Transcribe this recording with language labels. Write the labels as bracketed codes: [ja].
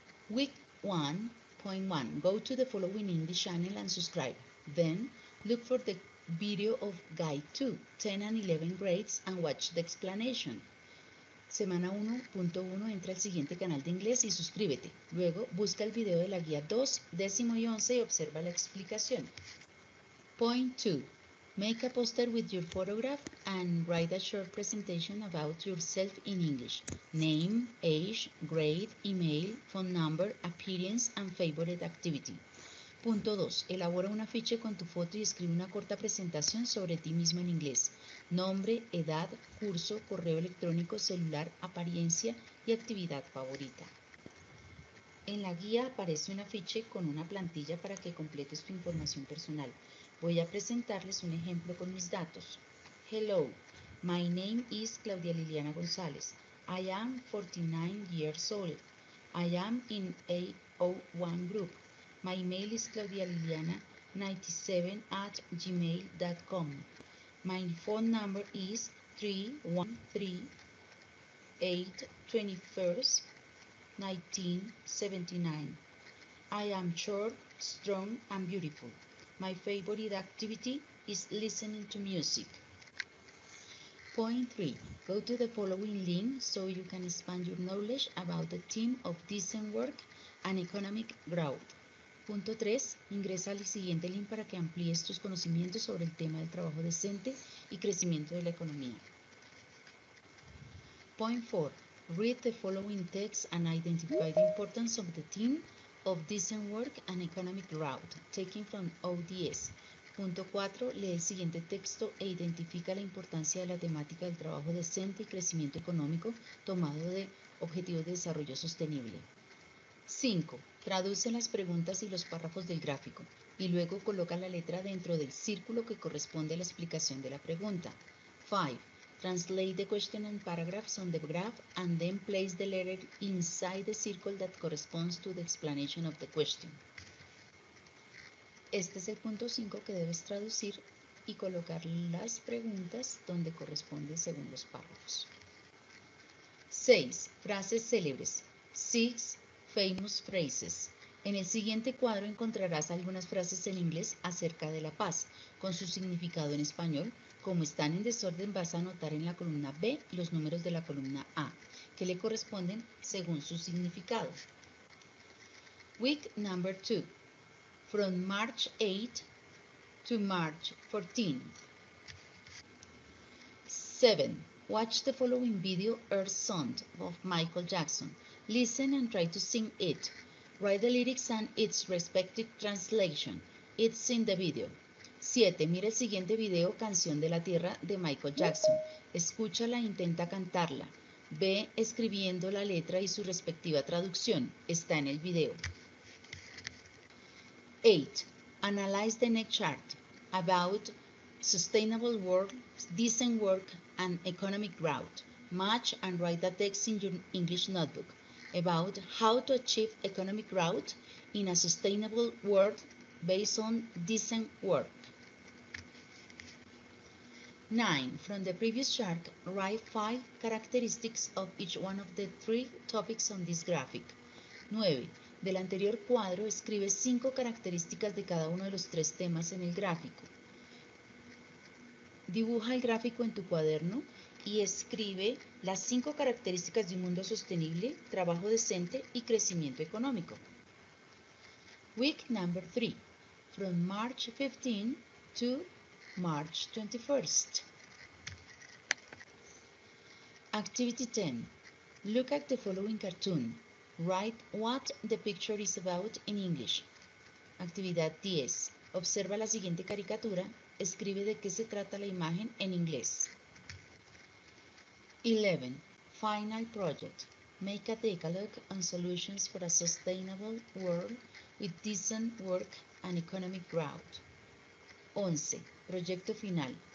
[en] Week 1.1, go to the following English channel and subscribe. Then, look for the video of Guide 2, 10 and 11 grades and watch the explanation. [es] Semana 1.1, entra al siguiente canal de inglés y suscríbete. Luego, busca el video de la guía 2, 10 y 11 y observa la explicación. [en] Point 2. Make a poster with your photograph and write a short presentation about yourself in English. Name, age, grade, email, phone number, appearance and favorite activity. [es] Punto 2. Elabora un afiche con tu foto y escribe una corta presentación sobre ti mismo en inglés. Nombre, edad, curso, correo electrónico, celular, apariencia y actividad favorita. En la guía aparece un afiche con una plantilla para que completes tu información personal. Voy a presentarles un ejemplo con mis datos. [en] Hello, my name is Claudia Liliana González. I am 49 years old. I am in AO1 group. My email is claudialiliana97@gmail.com. My phone number is 313-821-1979. I am short, strong, and beautiful. My favorite activity is listening to music. Point 3. Go to the following link so you can expand your knowledge about the theme of decent work and economic growth. [es] Punto 3. Ingresa al siguiente link para que amplíes tus conocimientos sobre el tema del trabajo decente y crecimiento de la economía. [en] Point 4. Read the following text and identify the importance of the theme of decent work and economic growth, taken from ODS. [es] Punto 4. Lee el siguiente texto e identifica la importancia de la temática del trabajo decente y crecimiento económico tomado de Objetivos de Desarrollo Sostenible. 5. Traduce las preguntas y los párrafos del gráfico y luego coloca la letra dentro del círculo que corresponde a la explicación de la pregunta. 5. [en] Translate the question and paragraphs on the graph and then place the letter inside the circle that corresponds to the explanation of the question. [es] Este es el punto 5 que debes traducir y colocar las preguntas donde corresponde según los párrafos. 6. Frases célebres. [en] 6 famous phrases. [es] En el siguiente cuadro encontrarás algunas frases en inglés acerca de la paz, con su significado en español. Como están en desorden, vas a anotar en la columna B los números de la columna A, que le corresponden según su significado. [en] Week number 2. From March 8 to March 14. 7. Watch the following video, Earth Sound, of Michael Jackson. Listen and try to sing it. Write the lyrics and its respective translation. It's in the video. 7. [es] Mira el siguiente video, Canción de la Tierra, de Michael Jackson. Escúchala e intenta cantarla. Ve escribiendo la letra y su respectiva traducción. Está en el video. 8. [en] Analyze the next chart about sustainable work, decent work, and economic growth. Match and write the text in your English notebook about how to achieve economic growth in a sustainable world based on decent work. 9. From the previous chart, write 5 characteristics of each one of the 3 topics on this graphic. 9. [es] Del anterior cuadro, escribe 5 características de cada uno de los 3 temas en el gráfico. Dibuja el gráfico en tu cuaderno y escribe las 5 características de un mundo sostenible, trabajo decente y crecimiento económico. [en] Week number 3. From March 15 to March 21st. Activity 10. Look at the following cartoon. Write what the picture is about in English. [es] Actividad 10. Observa la siguiente caricatura. Escribe de qué se trata la imagen en inglés. [en] 11. Final project. Make a decalogue on solutions for a sustainable world with decent work and economic growth. 11. [es] Proyecto final.